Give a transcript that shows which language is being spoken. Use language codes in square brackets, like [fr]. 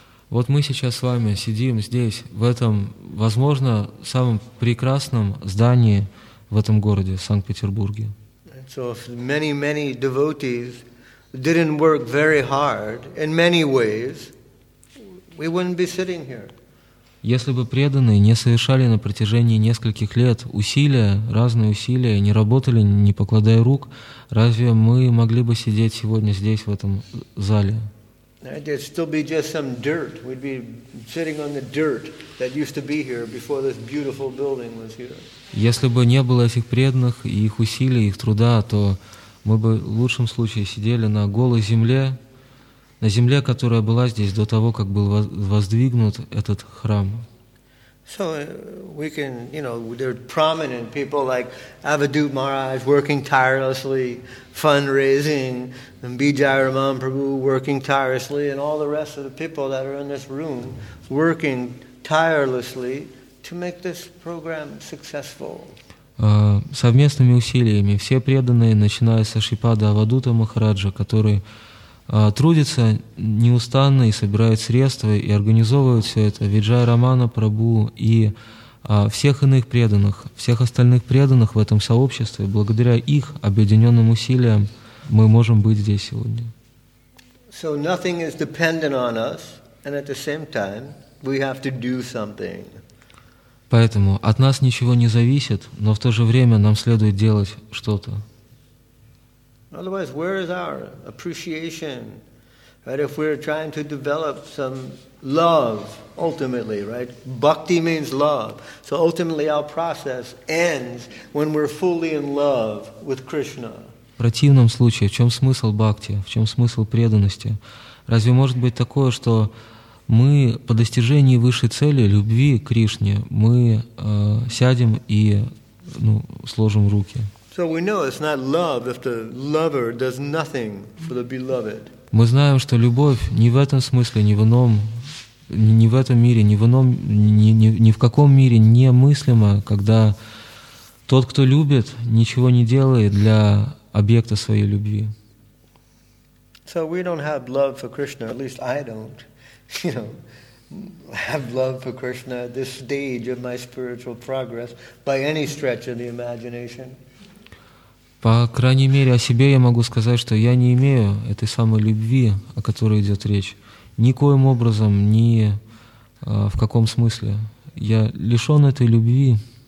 [ru] Вот мы сейчас с вами сидим здесь, в этом, возможно, самом прекрасном здании в этом городе, Санкт-Петербурге. [en] So many devotees didn't work very hard in many ways, we wouldn't be sitting here. [ru] Если бы преданные не совершали на протяжении нескольких лет усилия, разные усилия, не работали, не покладая рук, разве мы могли бы сидеть сегодня здесь, в этом зале? [en] It'd still be just some dirt. We'd be sitting on the dirt that used to be here before this beautiful building was here. [ru] Если бы не было этих преданных и их усилий, их труда, то мы бы в лучшем случае сидели на голой земле, на земле, которая была здесь до того, как был воздвигнут этот храм. [en] So we can, you know, there are prominent people like Avadhut Maharaj working tirelessly, fundraising, and Bijaya Raman Prabhu working tirelessly, and all the rest of the people that are in this room working tirelessly to make this program successful. [ru] Совместными усилиями все преданные, начиная со Шрипада Авадута Махараджа, который трудится неустанно и собирает средства и организовывает все это, Виджая Рамана Прабу и всех иных преданных, всех остальных преданных в этом сообществе, благодаря их объединенным усилиям мы можем быть здесь сегодня. [en] So nothing is dependent on us, and at the same time we have to do something. [ru] Поэтому от нас ничего не зависит, но в то же время нам следует делать что-то. [en] Otherwise, where is our appreciation Right? If we're trying to develop some love, ultimately, right? Bhakti means love. So ultimately our process ends when we're fully in love with Krishna. [ru] В противном случае, в чем смысл бхакти, в чем смысл преданности? Разве может быть такое, что мы по достижении высшей цели, любви к Кришне, мы сядем и ну, сложим руки? [en] So we know it's not love if the lover does nothing for the beloved. [ru] Мы знаем, что любовь не в этом смысле, не в ином, не в этом мире, не в ином, ни в каком мире не мыслима, когда тот, кто любит, ничего не делает для объекта своей любви. [en] So we don't have love for Krishna, at least I don't, you know, have love for Krishna at this stage of my spiritual progress by any stretch of the imagination. [ru] По крайней мере, о себе я могу сказать, что я не имею этой самой любви, о которой идет речь, никоим образом, ни в каком смысле. Я лишен этой любви.